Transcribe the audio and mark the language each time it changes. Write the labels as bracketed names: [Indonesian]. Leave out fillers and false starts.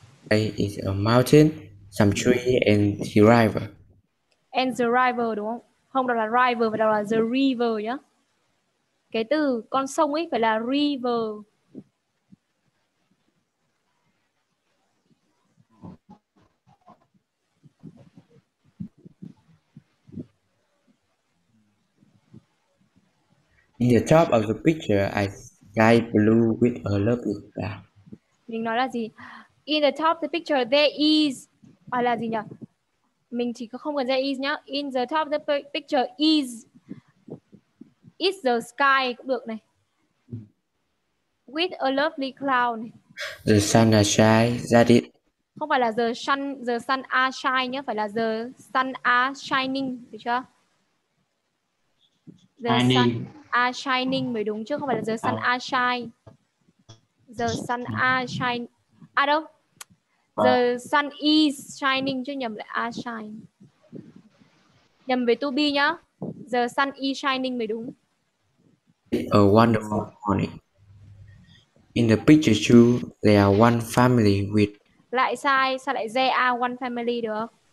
[English] There is a mountain, some tree and the river. And the river [Vietnamese] đúng không? Không, đọc là river và đọc là the river nhá. Cái từ con sông ấy phải là river. [English] In the top of the picture, I sky blue with a lovely cloud. [Vietnamese] Mình nói là gì? [English] In the top of the picture, there is... [Vietnamese] À là gì nhỉ? Mình chỉ có không cần [English] say is nhá. In the top of the picture is the sky [Vietnamese] cũng được này. [English] With a lovely cloud này. The sun are shy, that it. [Vietnamese] Không phải là [English] the sun are shine [Vietnamese] nhá, phải là [English] the sun are shining, [Vietnamese] được chưa? [English] The shining. Sun are shining [Vietnamese] mới đúng chứ, không phải là [English] the sun are shine. The sun are shine. [Vietnamese] À đâu? [English] The sun is shining, [Vietnamese] chứ nhầm lại [English] are shine. [Vietnamese] Nhầm với to be nhá. [English] The sun is shining [Vietnamese] mới đúng. [English] A wonderful morning. In the picture too, there are one family with... [Vietnamese] Lại sai, sao lại [English] there are one family [Vietnamese] được?